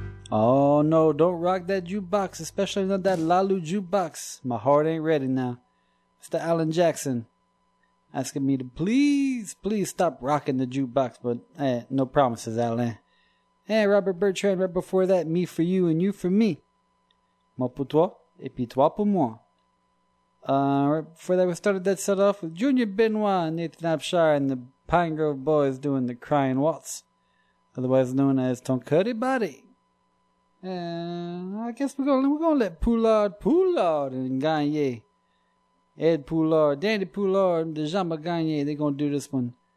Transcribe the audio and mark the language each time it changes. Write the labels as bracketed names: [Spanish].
[English] Oh no, don't rock that jukebox, especially not that Lalu jukebox. My heart ain't ready now. Mr. Alan Jackson asking me to please, please stop rocking the jukebox, but no promises, Alan. Hey, Robert Bertrand, right before that, me for you and you for me. [French] Moi pour toi et puis toi pour moi. [English] Right before that, we started that set off with Junior Benoit, Nathan Abshire, and the Pine Grove Boys doing the Crying Waltz, otherwise known as Tonkuddy Body. And I guess we're gonna let Poulard and Gagné, Ed Poulard, Danny Poulard, and Jean Gagné, they're gonna do this one.